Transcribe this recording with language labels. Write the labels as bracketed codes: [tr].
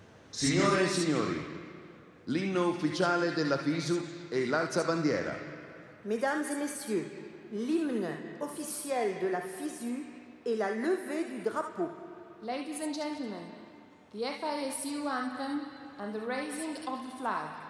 [it] Signore e signori, l'inno ufficiale della FISU e l'alzabandiera. [fr] Mesdames et messieurs, l'hymne officiel de la FISU et la levée du drapeau. [en] Ladies and gentlemen, the FISU anthem and the raising of the flag.